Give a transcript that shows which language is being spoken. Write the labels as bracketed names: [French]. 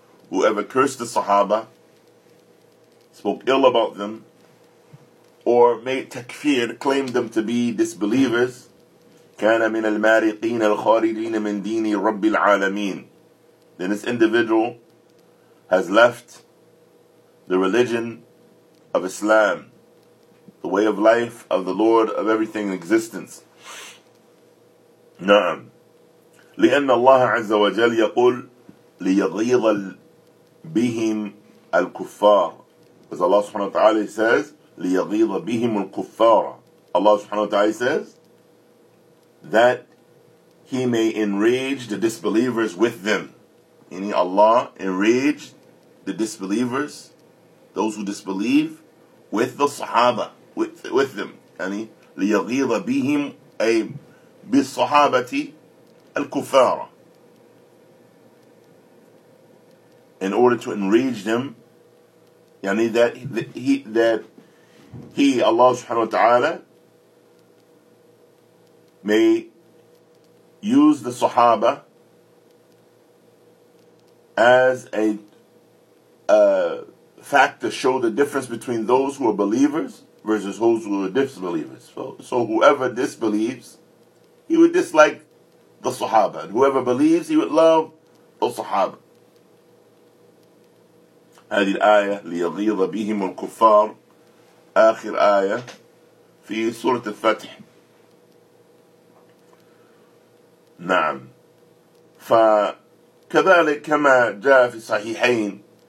[English] Whoever cursed the Sahaba, spoke ill about them, or made takfir, claimed them to be disbelievers, [Arabic] كَانَ مِنَ الْمَارِقِينَ الْخَارِجِينَ مِنْ دِينِ رَبِّ الْعَالَمِينَ. [English] Then this individual has left the religion of Islam, the way of life of the Lord of everything in existence. [Arabic] نعم. لأن الله عز وجل يقول ليغيظ بهم الكفار. [English] As Allah subhanahu wa ta'ala says, [Arabic] ليغيظ بهم الكفار. [English] Allah subhanahu wa ta'ala says that He may enrage the disbelievers with them. Meaning Allah enraged the disbelievers, those who disbelieve, with the Sahaba, with them. [Arabic] يعني ليغيظ بهم أي بالصحابة الكفار. [English] In order to enrage them, yani that he, Allah subhanahu wa ta'ala, may use the Sahaba as a fact to show the difference between those who are believers versus those who are disbelievers. So whoever disbelieves, he would dislike the Sahaba. And whoever believes, he would love the Sahaba. [Arabic] هذه الآية ليغيظ بهم الكفار آخر آية في سورة الفتح نعم فكذلك كما جاء في الصحيحين